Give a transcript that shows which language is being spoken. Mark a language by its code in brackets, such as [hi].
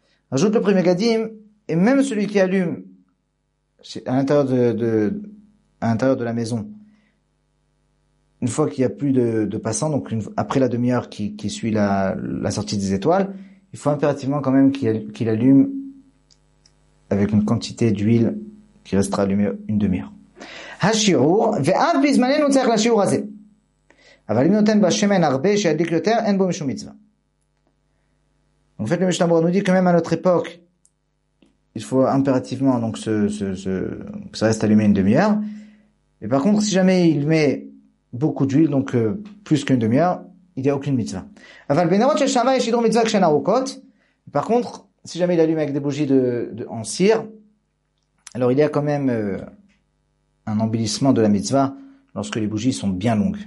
[fr] Ajoute le premier gadim, et même celui qui allume à l'intérieur de la maison, une fois qu'il n'y a plus de passants, donc après la demi-heure qui suit la sortie des étoiles, il faut impérativement quand même qu'il allume avec une quantité d'huile qui restera allumée une demi-heure. [he] השיעור, ואף בזמננו צריך לשיעור הזה. אבל אם נותן בשמן הרבה שידליק יותר, אין בו משום מצווה. [fr] En fait, le Mishnah Berurah nous dit que même à notre époque, il faut impérativement donc que ça reste allumé une demi-heure. Et par contre, si jamais il met beaucoup d'huile, donc plus qu'une demi-heure, il n'y a aucune mitzvah. [he] Aval benarot shama yeshidur mitzvah kshen arukot. [fr] Par contre, si jamais il allume avec des bougies de en cire, alors il y a quand même un embellissement de la mitzvah lorsque les bougies sont bien longues.